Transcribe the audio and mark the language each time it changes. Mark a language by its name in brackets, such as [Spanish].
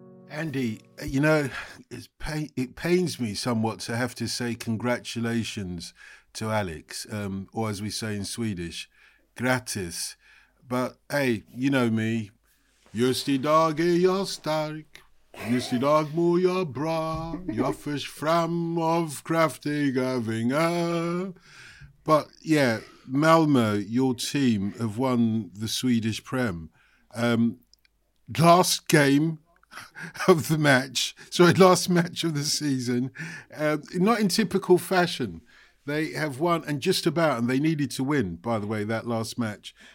[English] Andy, you know, it pains me somewhat to have to say congratulations to Alex, or as we say in Swedish, gratis. But hey, you know me, [Swedish] just idag är jag stark, just idag mår jag bra, jag fisk fram av kraftiga vingar. [English] But yeah, Malmö, your team have won the Swedish Prem. Last game of the match, sorry, last match of the season, not in typical fashion. They have won, and just about, and they needed to win, by the way, that last match.